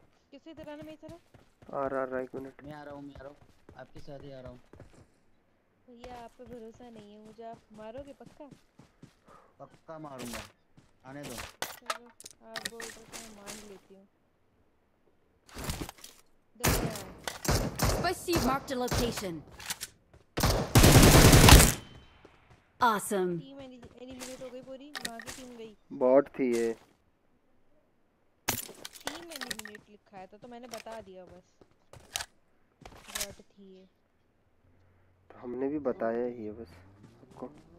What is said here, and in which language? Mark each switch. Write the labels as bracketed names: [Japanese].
[Hindi] किसी तरह ना मेरी तरफ आ रहा है, एक मिनट मैं आ रहा हूं, मैं आ रहा हूं आपके साथ ही आ रहा हूं। भैया आप पे भरोसा नहीं है मुझे, आप मारोगे पक्का? पक्का मारूंगा, आने दो। आप बोल रहे हो मान लेती हूं। [English] Spicy marked a location. Awesome. [Hindi] Team eliminate हो गई पूरी, वहां की टीम गई। बॉट थी ये। टीम एलिमिनेट लिखा है तो मैंने बता दिया बस। बॉट थी ये। तो हमने भी बताया ही है बस आपको।